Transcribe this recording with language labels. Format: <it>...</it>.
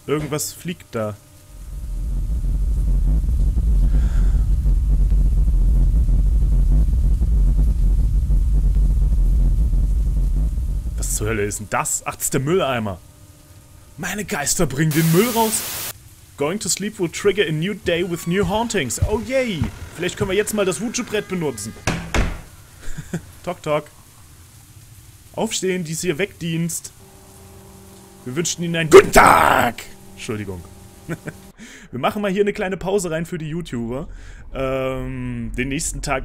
<de>Irgendwas fliegt da. Was zur Hölle ist denn das? Ach, das ist der Mülleimer. Meine Geister bringen den Müll raus.</de> <en>Going to sleep will trigger a new day with new hauntings. Oh yay.</en> <de>Vielleicht können wir jetzt mal das Wutschebrett benutzen. Tok tok. Aufstehen, dies hier Weckdienst. Wir wünschen Ihnen einen guten Tag. Entschuldigung. Wir machen mal hier eine kleine Pause rein für die YouTuber. Den nächsten Tag.</de>